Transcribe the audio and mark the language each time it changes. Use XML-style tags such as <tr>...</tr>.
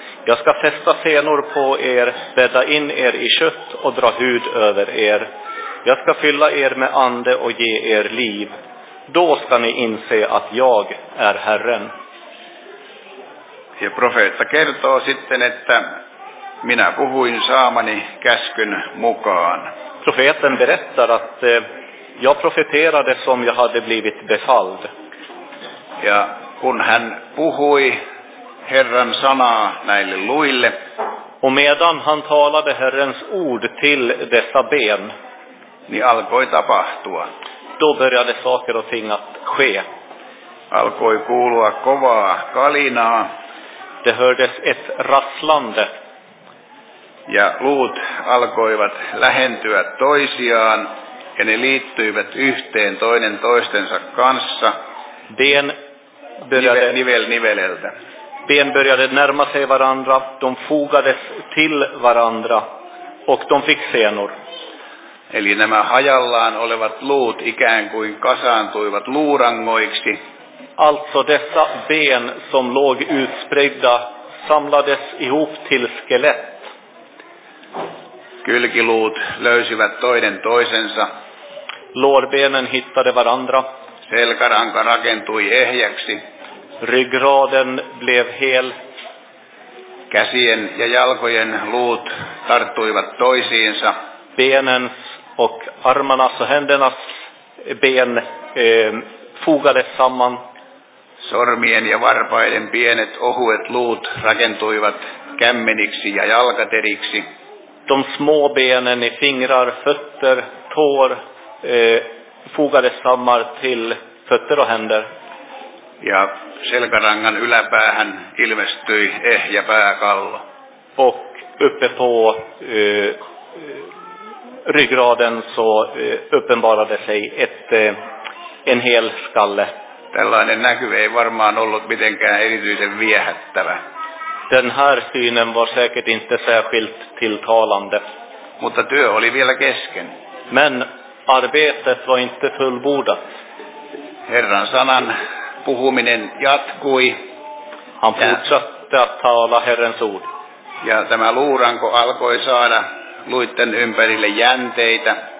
<sv>Jag ska fästa senor på er, bädda in er i kött och dra hud över er. Jag ska fylla er med ande och ge er liv. Då ska ni inse att jag är Herren.</sv> <fi>Ja profeetta kertoo sitten, että minä puhuin saamani käskyn mukaan.</fi> <sv>Profeten berättar att jag profeterade som jag hade blivit befalld.</sv> <fi>Ja kun hän puhui Herran sanaa näille luille.</fi> <sv>Och medan han talade Herrens ord till dessa ben.</sv> <fi>Niin alkoi tapahtua.</fi> <sv>Då började saker och ting att ske.</sv> <fi>Alkoi kuulua kovaa kalinaa.</fi> <sv>Det hördes ett rasslande.</sv> <fi>Ja luut alkoivat lähentyä toisiaan. Ja ne liittyivät yhteen toinen toistensa kanssa.</fi> <sv>Ben</sv> <fi>nivel niveleltä.</fi> <sv>ben började närma sig varandra, de fogades till varandra och de fick senor.</sv> <fi>Eli nämä hajallaan olevat luut ikään kuin kasaantuivat luurangoiksi.</fi> <sv>Alltså dessa ben som låg utspridda samlades ihop till skelett.</sv> <fi>Kylkiluut löysivät toinen toisensa.</fi> <sv>Lårbenen hittade varandra.</sv> <fi>Selkäranka rakentui ehjäksi.</fi> <sv>Ryggraden blev hel.</sv> <fi>Käsien ja jalkojen luut tarttuivat toisiinsa.</fi> <sv>Benens och armarnas och händernas ben fogades samman.</sv> <fi>Sormien ja varpaiden pienet ohuet luut rakentuivat kämmeniksi ja jalkateriksi.</fi> <sv>De små benen i fingrar, fötter, tår fogades samman till fötter och händer.</sv> <fi>Ja selkärangan yläpäähän ilmestyi ehjä pääkallo.</fi> <sv>Och uppe på ryggraden så uppenbarade sig en hel skalle.</sv> <fi>Tällainen näky ei varmaan ollut mitenkään erityisen viehättävä.</fi> <sv>Den här synen var säkert inte särskilt tilltalande.</sv> <fi>Mutta työ oli vielä kesken.</fi> <sv>Men arbetet var inte fullbordat.</sv> <fi>Herran sanan puhuminen jatkui.</fi> <sv>Han fortsatte att tala Herrens ord.</sv> <fi>Ja tämä luuranko alkoi saada luitten ympärille jänteitä.</fi>